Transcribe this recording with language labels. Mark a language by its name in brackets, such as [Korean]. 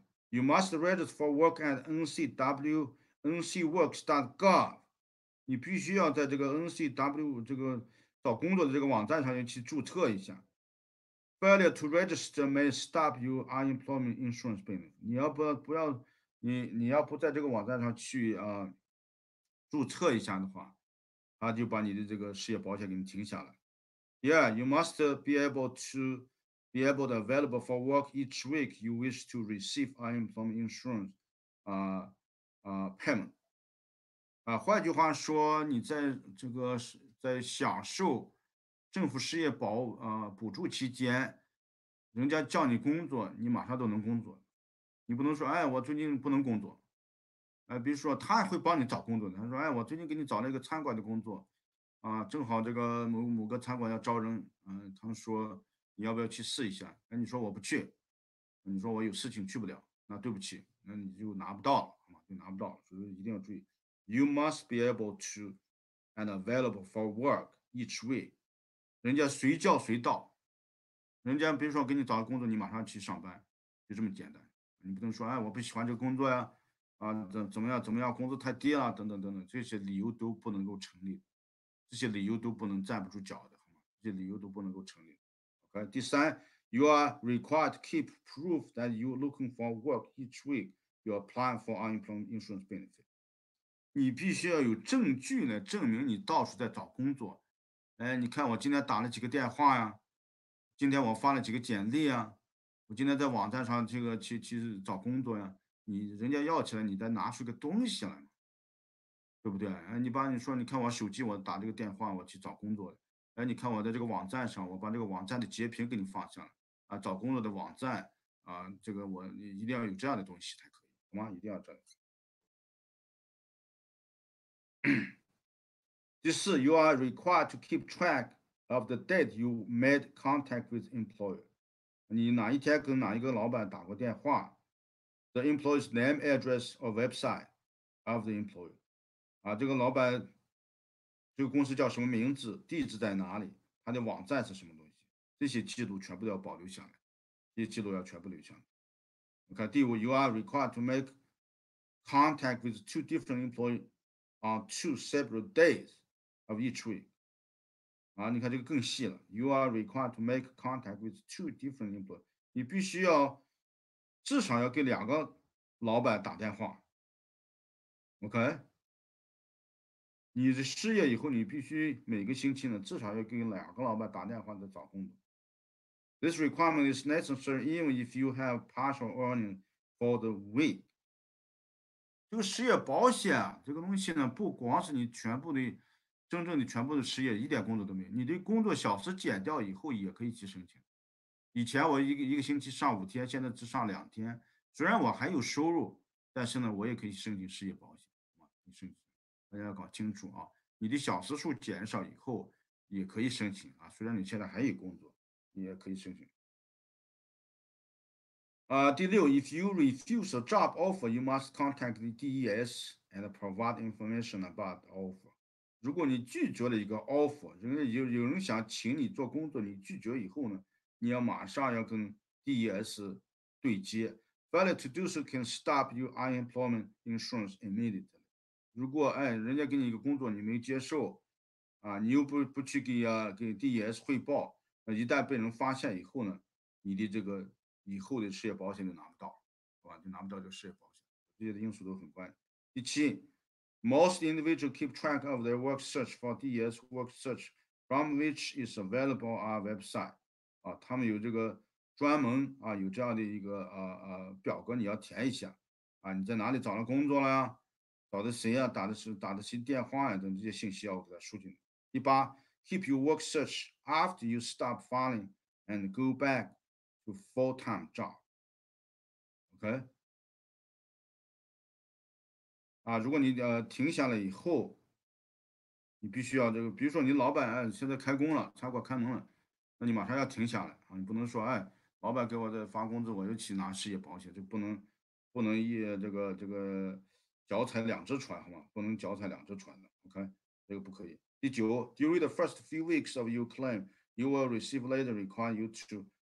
[English] you must register for work at ncworks.gov。 [Chinese] 你必须要在这个 NCW 这个找工作的这个网站上去注册一下。 [English] Failure to register may stop your unemployment insurance payment。 [Chinese] 你要不在这个网站上去注册一下的话，他就把你的这个失业保险给你停下来。 [English] Yeah, you must be able to be able to available for work each week you wish to receive unemployment insurance payment. [Chinese] 换句话说，你在这个在享受政府失业保补助期间，人家叫你工作，你马上都能工作。你不能说，哎，我最近不能工作。比如说他会帮你找工作，他说，哎，我最近给你找了一个餐馆的工作，正好这个某个餐馆要招人，他说你要不要去试一下？哎，你说我不去，你说我有事情去不了，那对不起，那你就拿不到了，好吗？就拿不到了，所以一定要注意。 [English] You must be able to and available for work each week. [Chinese] 人家随叫随到，人家比如说给你找个工作，你马上去上班，就这么简单。你不能说，哎，我不喜欢这个工作呀，怎么样，工资太低了，等等等等，这些理由都不能够成立，这些理由都不能站不住脚的，好吗？这些理由都不能够成立。 [English] OK， [Chinese] 第三 [English] ，You are required to keep proof that you looking for work each week. You apply for unemployment insurance benefit. [Chinese] 你必须要有证据来证明你到处在找工作。哎，你看我今天打了几个电话呀，今天我发了几个简历啊，我今天在网站上这个去找工作呀，你人家要起来你再拿出个东西来，对不对？哎，你把你说你看我手机我打这个电话我去找工作，哎，你看我在这个网站上我把这个网站的截屏给你放下来啊，找工作的网站啊，这个我一定要有这样的东西才可以，好吗？一定要这样。第四 [English] ，You are required to keep track of the date you made contact with employer. [Chinese] 你哪一天跟哪一个老板打过电话 [English] ？The employer's name, address, or website of the employer. [Chinese] 啊，这个老板，这个公司叫什么名字？地址在哪里？他的网站是什么东西？这些记录全部都要保留下来，这些记录要全部留下来。你看，第五 [English] ，You are required to make contact with two different employers. On two separate days of each week. [Chinese] 啊，你看这个更细了。 [English] You are required to make contact with two different employers. [Chinese] 你必须要至少要给两个老板打电话。 [English] OK? [Chinese] 你的失业以后你必须每个星期呢至少要给两个老板打电话再找工作。 [English] This requirement is necessary even if you have partial earnings for the week. [Chinese] 这个失业保险这个东西呢，不光是你全部的真正的全部的失业一点工作都没有，你的工作小时减掉以后也可以去申请。以前我一个星期上五天，现在只上两天，虽然我还有收入，但是呢我也可以申请失业保险。你申请大家要搞清楚啊，你的小时数减少以后也可以申请啊，虽然你现在还有工作你也可以申请。第六 [English] ，If you refuse a job offer, you must contact the DES and provide information about the offer. [Chinese] 如果你拒绝了一个 offer， 有人想请你做工作，你拒绝以后呢，你要马上要跟 DES 对接。 [English] Failure to do so can stop your unemployment insurance immediately. [Chinese] 如果哎，人家给你一个工作，你没接受，你又不去给 DES 汇报，一旦被人发现以后呢，你的这个以后的失业保险就拿不到，对吧？就拿不到这个失业保险，这些的因素都很关键。第七 [English] ，most individuals keep track of their work search for DES work search from which is available our website。 [Chinese] 啊，他们有这个专门啊，有这样的一个表格，你要填一下。啊，你在哪里找了工作了呀？找的谁呀？打的谁电话呀？等这些信息要给他输进。第八 [English] ，keep your work search after you stop filing and go back。 to full-time job, OK? [Chinese] 如果你停下来以后，你必须要这个，比如说你老板现在开工了，餐馆开门了，那你马上要停下来啊！你不能说哎，老板给我再发工资，我又去拿失业保险，就不能一这个脚踩两只船，好吗？不能脚踩两只船的 ，OK? 这个不可以。第九 [English] ，During the first few weeks of your claim, you will receive letter require you to.